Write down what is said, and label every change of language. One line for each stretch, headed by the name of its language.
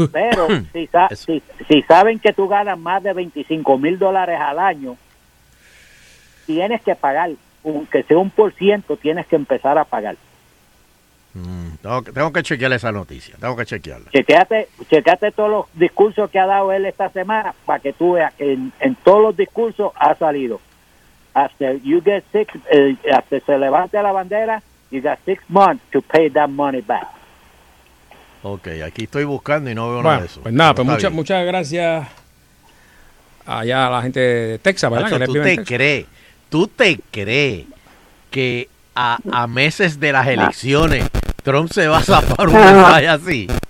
Spanish: Pero si saben que tú ganas más de $25,000 al año, tienes que pagar, aunque sea 1%, tienes que empezar a pagar. Tengo que chequear esa noticia, tengo que chequearla. Chequeate todos los discursos que ha dado él esta semana para que tú veas que en todos los discursos ha salido.
English: After
Spanish: se levante la bandera,
English: you got 6 months to pay that money back.
Spanish: Okay, aquí estoy buscando y no veo nada de eso. Pues nada, pero muchas gracias allá a la gente de Texas, ¿verdad? Hacho, ¿Tú te crees que a meses de las elecciones Trump se va a zafar un mensaje así?